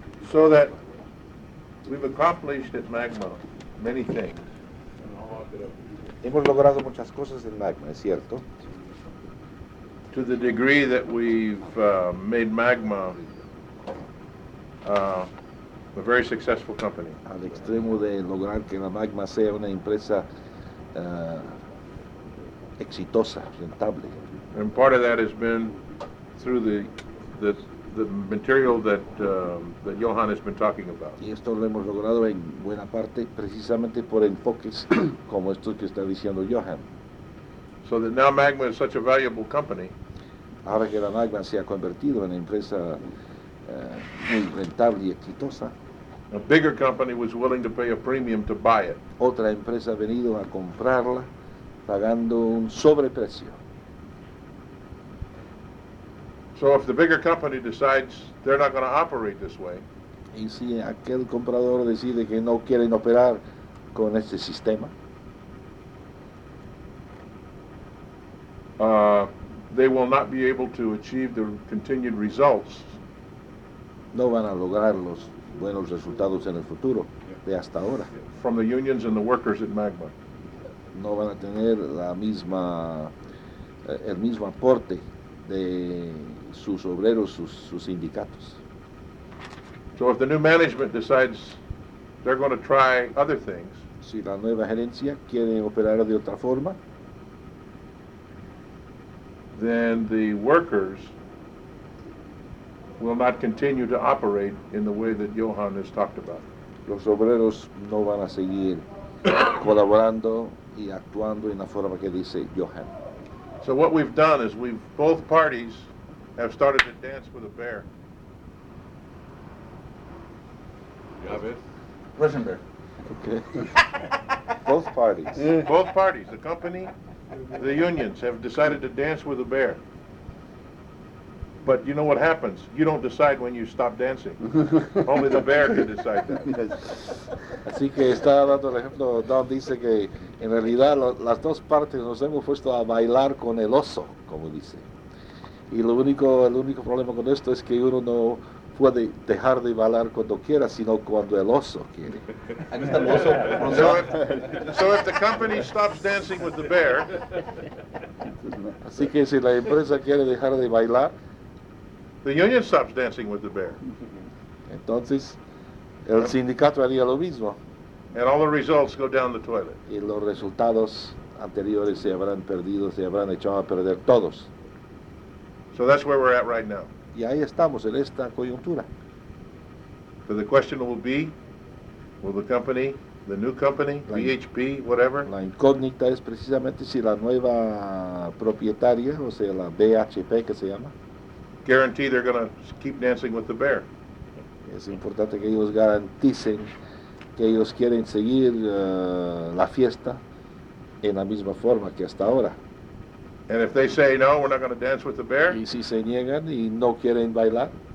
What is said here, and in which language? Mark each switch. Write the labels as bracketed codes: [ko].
[en] So that we've accomplished at Magma many things. [es] Hemos logrado muchas cosas en Magma, es cierto. [en] To the degree that we've made Magma a very successful company. [es] Al extremo de lograr que la Magma sea una empresa exitosa, rentable. [en] And part of that has been through the material that Johan has been talking about. [es] Y esto lo hemos logrado en buena parte precisamente por enfoques como estos que está diciendo Johan. [en] So that now Magma is such a valuable company. [es] Ahora que la Magma se ha convertido en una empresa muy rentable y exitosa. [en] A bigger company was willing to pay a premium to buy it. [es] Otra empresa ha venido a comprarla pagando un sobreprecio. [en] So if the bigger company decides they're not going to operate this way, [es] y si aquel comprador decide que no quieren operar con este sistema, [en] they will not be able to achieve the continued results. [es] No van a lograr los buenos resultados en el futuro de hasta ahora. [en] From the unions and the workers at Magma. [es] No van a tener la misma el mismo aporte de sus obreros, sus sindicatos. [en] So if the new management decides they're going to try other things, [es] si la nueva gerencia quiere operar de otra forma, [en] then the workers will not continue to operate in the way that Johan has talked about. [es] Los obreros no van a seguir colaborando y actuando en la forma que dice Johan. [en] So what we've done is we've both parties have started to dance with a bear. [es] Ya ves? [en] Russian bear. Okay. Both parties. Both parties, the company, the unions, have decided to dance with a bear. But you know what happens? You don't decide when you stop dancing. Only the bear can decide that. [es] Así que está dando el ejemplo, Don dice que en realidad las dos partes nos hemos puesto a bailar con el oso, como dice. Y el único problema con esto es que uno no puede dejar de bailar cuando quiera, sino cuando el oso quiere. Aquí está el oso. [en] So if the company stops dancing with the bear. [es] Así que si la empresa quiere dejar de bailar, [en] the union stops dancing with the bear. [es] Entonces, el sindicato haría lo mismo. [en] And all the results go down the toilet. [es] Y los resultados anteriores se habrán perdido, se habrán echado a perder todos. [en] So that's where we're at right now. [es] y ahí estamos en esta coyuntura. [en] So the question will be, will the company, the new company, BHP, whatever? [es] La incógnita es precisamente si la nueva propietaria, o sea, la BHP que se llama. [en] Guarantee they're going to keep dancing with the bear. [es] Es importante que ellos garanticen que ellos quieren seguir la fiesta en la misma forma que hasta ahora. [en] And if they say no, we're not going to dance with the bear. [es] Y si se niegan y no quieren bailar.